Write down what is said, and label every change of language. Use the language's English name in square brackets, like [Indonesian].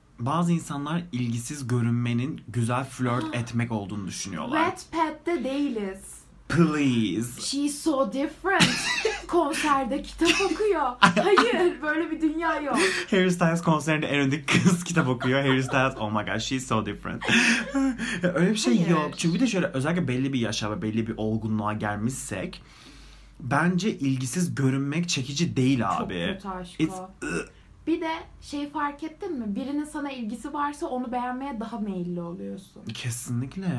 [Turkish] Bazı insanlar ilgisiz görünmenin güzel flört etmek olduğunu düşünüyorlar. Wattpad'de değiliz. [English] Please. She's so different. [Turkish] Konserde kitap okuyor. Hayır, böyle bir dünya yok. Harry Styles konserinde en öndeki kız kitap okuyor. [English] Harry Styles, oh my god, she's so different. [Turkish] Öyle bir şey Hayır. yok. Çünkü bir de şöyle, özellikle belli bir yaşa ve belli bir olgunluğa gelmişsek, bence ilgisiz görünmek çekici değil abi. Çok kötü aşk o. [English] It's... [Turkish] Bir de şey fark ettin mi? Birinin sana ilgisi varsa onu beğenmeye daha meyilli oluyorsun. Kesinlikle.